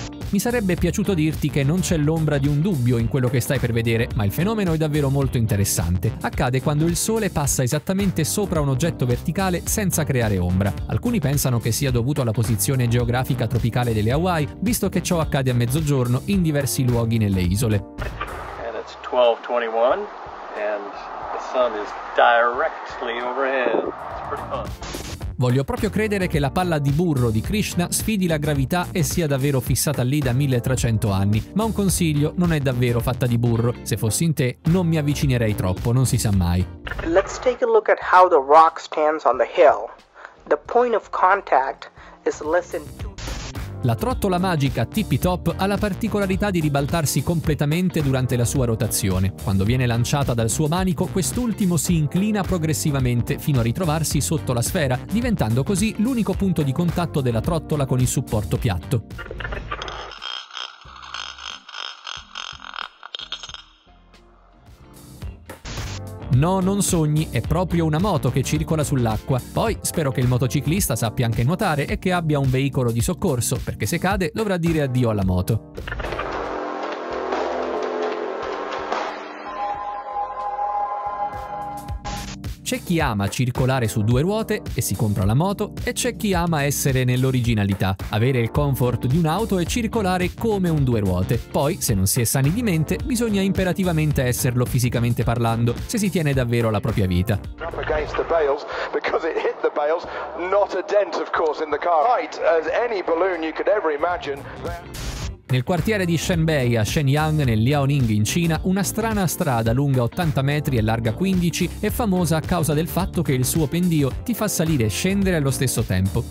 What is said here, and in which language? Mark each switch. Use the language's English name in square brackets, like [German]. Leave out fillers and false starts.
[Italian] Mi sarebbe piaciuto dirti che non c'è l'ombra di un dubbio in quello che stai per vedere, ma il fenomeno è davvero molto interessante. Accade quando il sole passa esattamente sopra un oggetto verticale senza creare ombra. Alcuni pensano che sia dovuto alla posizione geografica tropicale delle Hawaii, visto che ciò accade a mezzogiorno in diversi luoghi nelle isole. [English] And it's 12:21 and the sun is directly overhead. It's pretty fun. [Italian] Voglio proprio credere che la palla di burro di Krishna sfidi la gravità e sia davvero fissata lì da 1300 anni, ma un consiglio: non è davvero fatta di burro. Se fossi in te, non mi avvicinerei troppo, non si sa mai. [English] Let's take a look at how the rock stands on the hill. The point of contact is less than 2. [Italian] La trottola magica Tippy Top ha la particolarità di ribaltarsi completamente durante la sua rotazione. Quando viene lanciata dal suo manico, quest'ultimo si inclina progressivamente fino a ritrovarsi sotto la sfera, diventando così l'unico punto di contatto della trottola con il supporto piatto. No, non sogni, è proprio una moto che circola sull'acqua. Poi spero che il motociclista sappia anche nuotare e che abbia un veicolo di soccorso, perché se cade dovrà dire addio alla moto. C'è chi ama circolare su due ruote e si compra la moto, e c'è chi ama essere nell'originalità, avere il comfort di un'auto e circolare come un due ruote. Poi, se non si è sani di mente, bisogna imperativamente esserlo fisicamente parlando, se si tiene davvero alla propria vita. [English] Up against the bales, because it hit the bales, not a dent of course in the car. Height as any balloon you could ever imagine. [Italian] Nel quartiere di Shenbei a Shenyang, nel Liaoning in Cina, una strana strada lunga 80 metri e larga 15 è famosa a causa del fatto che il suo pendio ti fa salire e scendere allo stesso tempo.